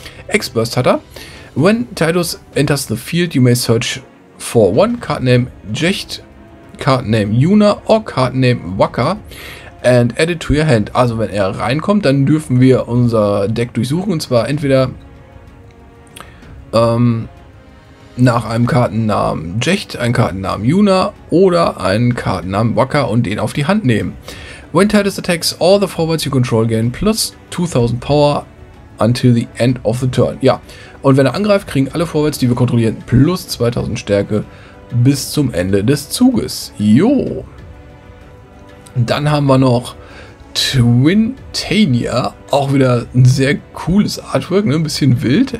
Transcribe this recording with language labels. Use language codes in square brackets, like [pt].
[en] X Burst [de] hat er. [en] When Tidus enters the field, you may search for one card name Jecht, card name Yuna or card name Waka and add it to your hand. [de] Also wenn er reinkommt, dann dürfen wir unser Deck durchsuchen, und zwar entweder nach einem Kartennamen Jecht, einem Kartennamen Yuna oder einem Kartennamen Waka und den auf die Hand nehmen. [en] When Tidus attacks, all the forwards you control gain plus 2000 power until the end of the turn. [de] Ja, und wenn er angreift, kriegen alle Forwards, die wir kontrollieren, plus 2000 Stärke bis zum Ende des Zuges. Jo. Dann haben wir noch Twintania, auch wieder ein sehr cooles Artwork, ne? Ein bisschen wild.